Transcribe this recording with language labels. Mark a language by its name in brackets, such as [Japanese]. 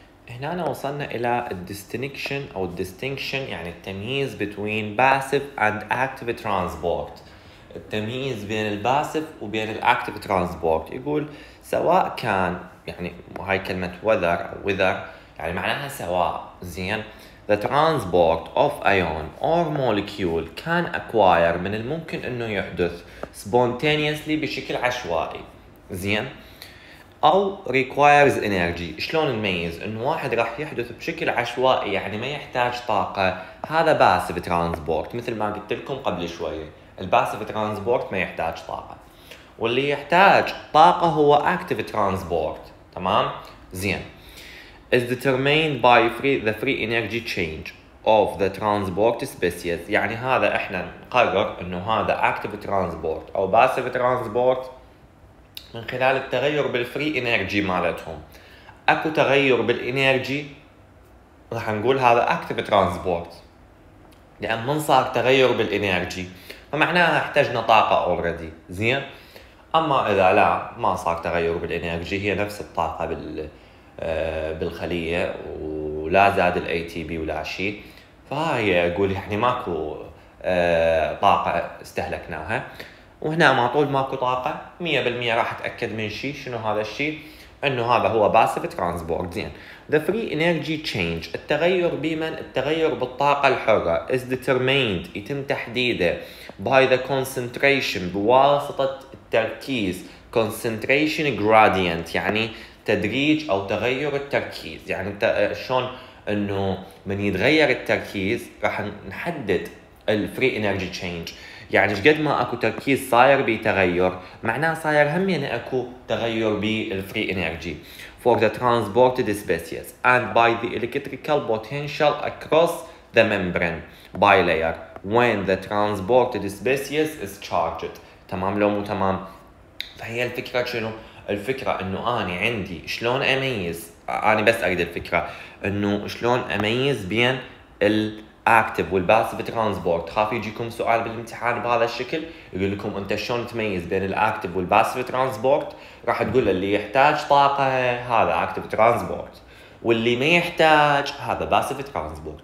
[Arabic] هنا أنا وصلنا إلى distinction أو distinction، يعني التمييز [English] between passive and active transport، [Arabic] التمييز بين الباسف وبين الactive transport. يقول سواء كان، يعني هاي كلمة whether أو whether يعني معناها سواء زين. [English] The transport of ion or molecule can acquire، [Arabic] من الممكن أنه يحدث [English] spontaneously [Arabic] بشكل عشوائي زين، أو [English] requires energy. [Arabic] شلون نميز إنه واحد راح يحدث بشكل عشوائي يعني ما يحتاج طاقة؟ هذا passive transport، مثل ما قلت لكم قبل شوية الباسف transport ما يحتاج طاقة، واللي يحتاج طاقة هو active transport. تمام زين. [English] is determined by the free energy change of the transport species. [Arabic] يعني هذا إحنا نقرر إنه هذا active transport أو passive transport من خلال التغير بالفري انرجي مالتهم. اكو تغير بالانرجي راح نقول هذا اكتف ترانسبورت، لان من صار تغير بالانرجي فمعناها احتاجنا طاقه اوريدي زين. اما اذا لا، ما صار تغير بالانرجي، هي نفس الطاقه بالخليه ولا زاد الاي تي بي ولا شيء، فهي اقول يعني ماكو طاقه استهلكناها. وهنا ما طول ماكو طاقة 100% راح أتأكد من شيء، شنو هذا الشيء؟ إنه هذا هو passive transport زين. [English] The free energy change، [Arabic] التغير بمن؟ التغير بالطاقة الحرة. [English] is determined، [Arabic] يتم تحديده [English] by the concentration، [Arabic] بواسطة التركيز [English] concentration gradient، [Arabic] يعني تدريج أو تغير التركيز. يعني شلون إنه من يتغير التركيز راح نحدد الفري إنرجي تشينج، يعني قد ما أكو تركيز صاير بيتغير معناه صاير هم يعني أكو تغير بالفري إنرجي. [English] For the transported species and by the electrical potential across the membrane bilayer when the transported species is charged. [Arabic] تمام لو مو تمام؟ فهي الفكرة شنو؟ الفكرة إنه أنا عندي شلون أميز، أنا بس أريد الفكرة إنه شلون أميز بين الأكتيف والباسيف ترانسبورت. خاف يجيكم سؤال بالامتحان بهذا الشكل يقول لكم أنت شلون تميز بين الأكتيف والباسيف ترانسبورت، راح تقول اللي يحتاج طاقة هذا أكتيف ترانسبورت واللي ما يحتاج هذا باسيف ترانسبورت.